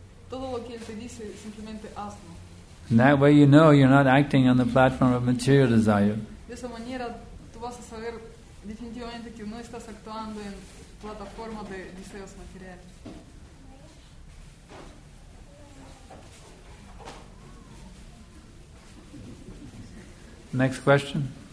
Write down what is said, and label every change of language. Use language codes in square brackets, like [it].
[es] Todo lo que él te dice, simplemente hazlo. [en] And that way you know you're not acting on the platform of material desire. [es] De esa manera, tú vas a saber definitivamente que no estás actuando en plataforma de deseos materiales. [en] Next question.